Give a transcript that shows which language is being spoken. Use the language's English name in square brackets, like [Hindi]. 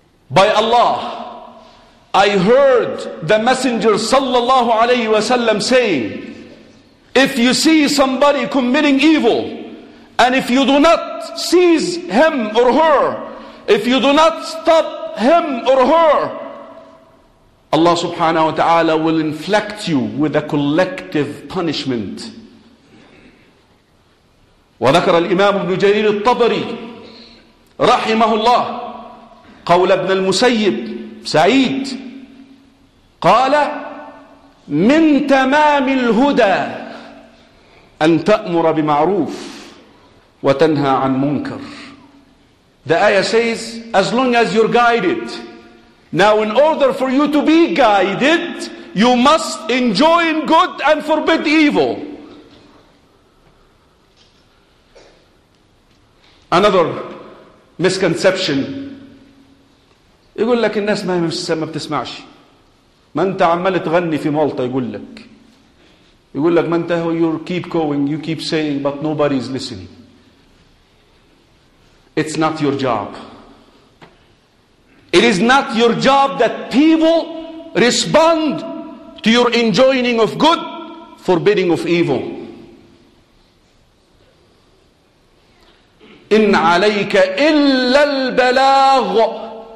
[English] By Allah, I heard the Messenger sallallahu alayhi wa sallam saying, if you see somebody committing evil, and if you do not seize him or her, if you do not stop him or her, Allah subhanahu wa ta'ala will inflict you with a collective punishment. [Arabic] وذكر الإمام ابن جرير الطبري رحمه الله قول ابن المسيب سعيد قال من تمام الهدى أن تأمر بمعروف وتنهى عن منكر. [English] The ayah says, as long as you're guided, now in order for you to be guided, you must enjoin good and forbid evil. Another misconception. [Arabic] يقول لك الناس ما بتسمعش. ما انت عمال تغني في مالطا يقول لك ما انت [English] you keep saying but nobody is listening. It's not your job. It is not your job that people respond to your enjoining of good, forbidding of evil. [Arabic] إن عليك إلا البلاغ.